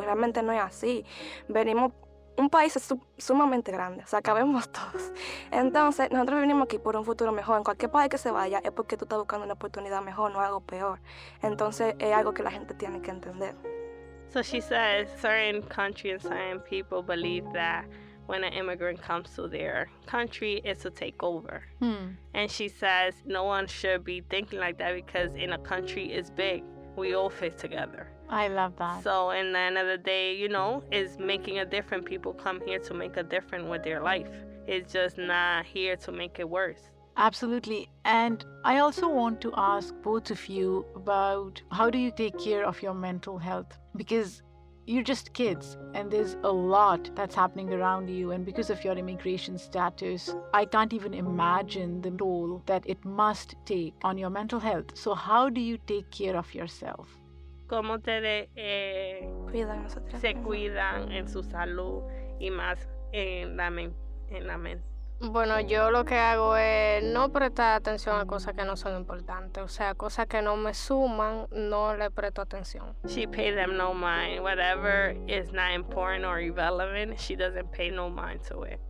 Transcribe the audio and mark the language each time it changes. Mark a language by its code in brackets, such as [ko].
[es] Realmente no es así. Venimos, un país es sumamente grande, o sea, cabemos todos. Entonces, nosotros venimos aquí por un futuro mejor. En cualquier país que se vaya, es porque tú estás buscando una oportunidad mejor, no algo peor. Entonces, es algo que la gente tiene que entender. [en] So she says certain country and certain people believe that when an immigrant comes to their country, it's to take over. And she says no one should be thinking like that because in a country is big, we all fit together. I love that. So in the end of the day, you know, is making a difference. People come here to make a difference with their life. It's just not here to make it worse. Absolutely. And I also want to ask both of you about how do you take care of your mental health? Because you're just kids and there's a lot that's happening around you. And because of your immigration status, I can't even imagine the toll that it must take on your mental health. So how do you take care of yourself? [es] ¿Cómo ustedes se cuidan en su salud y más en la mente? Bueno, yo lo que hago es no prestar atención a cosas que no son importantes. O sea, cosas que no me suman, no le presto atención. [en] She pay them no mind. Whatever is not important or irrelevant, she doesn't pay no mind to it.